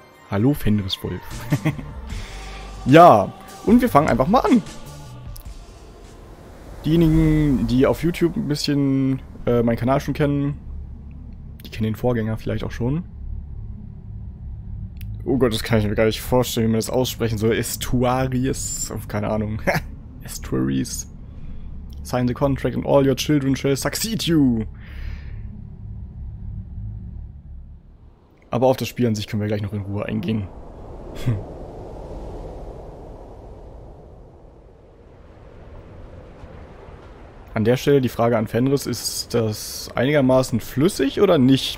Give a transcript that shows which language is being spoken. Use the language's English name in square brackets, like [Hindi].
[German] Hallo Fenriswolf. Ja, und wir fangen einfach mal an. Diejenigen, die auf YouTube ein bisschen meinen Kanal schon kennen, die kennen den Vorgänger vielleicht auch schon. Oh Gott, das kann ich mir gar nicht vorstellen, wie man das aussprechen soll. Estuaries, keine Ahnung. Estuaries. [English] Sign the contract and all your children shall succeed you. [German] Aber auf das Spiel an sich können wir gleich noch in Ruhe eingehen. An der Stelle die Frage an Fenris, ist das einigermaßen flüssig oder nicht?